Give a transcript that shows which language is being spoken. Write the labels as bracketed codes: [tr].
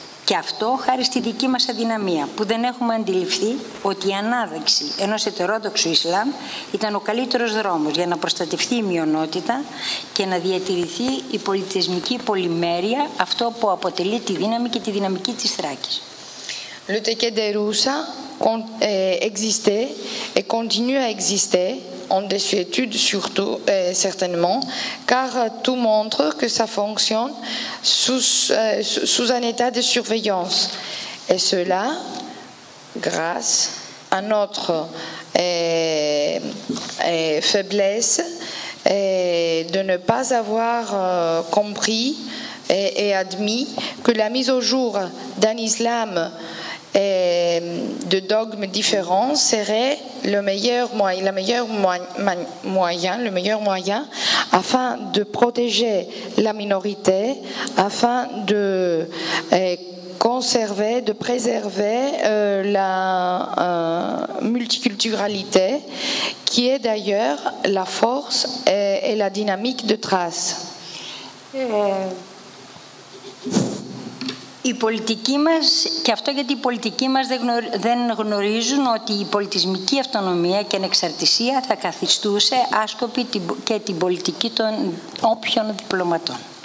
[el] Και αυτό χάρη στη δική μας αδυναμία, που δεν έχουμε αντιληφθεί ότι η ανάδειξη ενός ετερόδοξου Ισλάμ ήταν ο καλύτερος δρόμος για να προστατευτεί η μειονότητα και να διατηρηθεί η πολιτισμική πολυμέρεια, αυτό που αποτελεί τη δύναμη και τη δυναμική της Θράκης. [fr] Le Tekes de Roussa existait et continue à exister, en désuétude surtout, certainement, car tout montre que ça fonctionne sous un état de surveillance. Et cela, grâce à notre faiblesse de ne pas avoir compris et admis que la mise au jour d'un islam et de dogmes différents serait le meilleur moyen afin de protéger la minorité, afin de conserver, de préserver la multiculturalité qui est d'ailleurs la force et la dynamique de Thrace. [el] Η πολιτική μας, και αυτό γιατί οι πολιτικοί μας δεν γνωρίζουν ότι η πολιτισμική αυτονομία και ανεξαρτησία θα καθιστούσε άσκοπη και την πολιτική των όποιων διπλωματών.